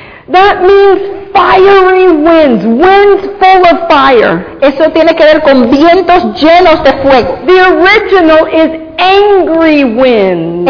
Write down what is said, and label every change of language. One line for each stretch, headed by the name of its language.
English: That means fiery winds, winds full of fire.
Spanish: Eso tiene que ver con vientos llenos de fuego.
English: The original is angry winds.